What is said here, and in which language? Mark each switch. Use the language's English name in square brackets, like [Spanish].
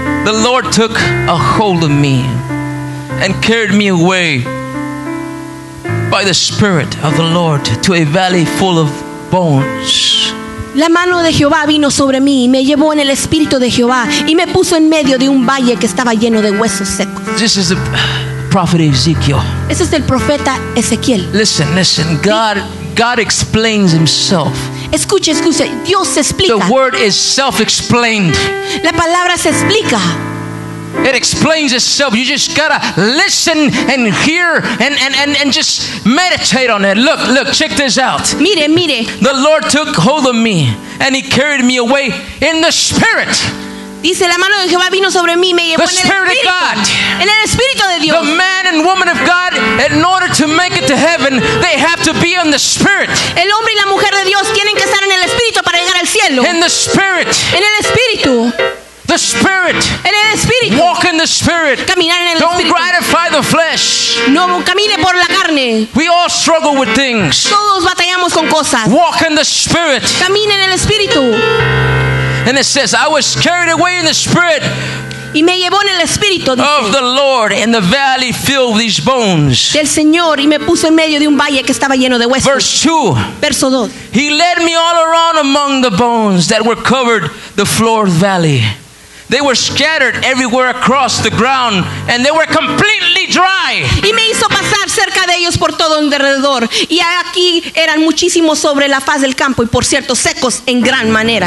[English] the Lord took a hold of me and carried me away by the Spirit of the Lord to a valley full of bones. [Spanish] La mano de Jehová vino sobre mí y me llevó en el Espíritu de Jehová y me puso en medio de un valle que estaba lleno de huesos secos. [English] This is the prophet Ezekiel. [Spanish] Ese es el profeta Ezequiel. [English] Listen, listen. God explains himself. [Spanish] Escuche, escuche. Dios se explica. [English] The word is self-explained. La palabra se explica. It explains itself. You just gotta listen and hear and just meditate on it. Look, check this out. [Spanish] Mire, mire. [English] The Lord took hold of me and he carried me away in the spirit. [Spanish] Dice, la mano de Jehová vino sobre mí, me llevó [English] the Spirit [Spanish] en el Espíritu, [English] of God. [Spanish] En el Espíritu de Dios. [English] The man and woman of God, in order to make it to heaven, they have to be in the Spirit. [Spanish] El hombre y la mujer de Dios tienen que estar en el Espíritu para llegar al cielo. [English] In the Spirit. [Spanish] En el Espíritu. [English] The Spirit. [Spanish] En el Espíritu. [English] Walk in the Spirit. [Spanish] Caminar en el [English] Don't [Spanish] Espíritu. [English] Gratify the flesh. [Spanish] No camine por la carne. [English] We all struggle with things. [Spanish] Todos batallamos con cosas. [English] Walk in the Spirit. [Spanish] Camine en el Espíritu. [English] And it says, I was carried away in the Spirit. [Spanish] Y me llevó en el Espíritu, dice, [English] of the Lord in the valley filled with these bones. [Spanish] Del Señor y me puso en medio de un valle que estaba lleno de huesos. [English] Verse 2. [Spanish] Verso 2. [English] He led me all around among the bones that were covered the floor of the valley. They were scattered everywhere across the ground and they were completely dry. [Spanish] Y me hizo pasar cerca de ellos por todo alrededor y aquí eran muchísimos sobre la faz del campo y por cierto secos en gran manera.